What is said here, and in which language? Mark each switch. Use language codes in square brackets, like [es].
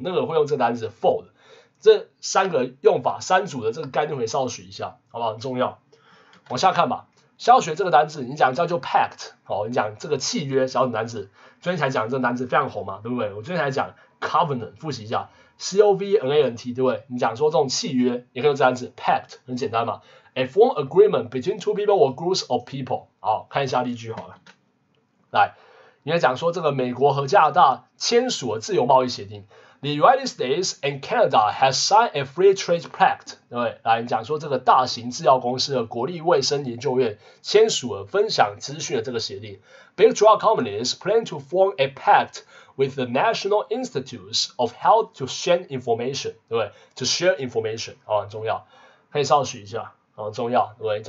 [zh] 那个会用这单词 fold， 这三个用法，三组的这个概念会稍微学一下，好不好？很重要。往下看吧，先要学这个单词，你讲叫做 pact， 好、哦，你讲这个契约，小组单词。昨天才讲这个单词非常红嘛，对不对？我昨天才讲 covenant， 复习一下。Covenant 对不对？你讲说这种契约也可以用这单词 pact， 很简单嘛。 [en] A form agreement between two people or groups of people。 [zh] 好，看一下例句好了。来，你要讲说这个美国和加拿大签署了自由贸易协定。 [en] The United States and Canada has signed a free trade pact， [zh] 对不对？来，你讲说这个大型制药公司和国立卫生研究院签署了分享资讯的这个协定。 [en] Big drug companies plan to form a pact with the National Institutes of Health to share information， [zh] 对不对 [en] ？To share information， [zh] 哦，很重要，可以稍微学一下，哦，很重要，对不对？